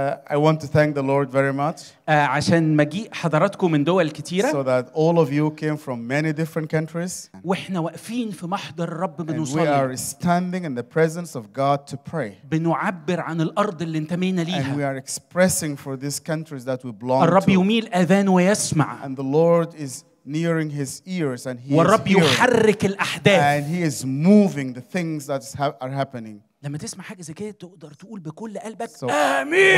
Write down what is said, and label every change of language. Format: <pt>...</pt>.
<en>I want to thank the Lord very much.</en> <ar>عشان مجيء حضراتكم من دول كتيرة.</ar> <en>So that all of you came from many different countries.</en> <ar>وإحنا واقفين في محضر الرب بنصلي.</ar> <en>And we are standing in the presence of God to pray.</en> <ar>بنعبر عن الأرض اللي انتمينا ليها.</ar> <en>And we are expressing for these countries that we belong to.</en> <ar>الرب يميل أذانه ويسمع.</ar> <en>And the Lord is nearing his ears and he is</en> <ar>والرب يحرك الأحداث.</ar> <en>And he is moving the things that are happening.</en> <ar>لما تسمع حاجة زي كده تقدر تقول بكل قلبك so, آمين.</ar>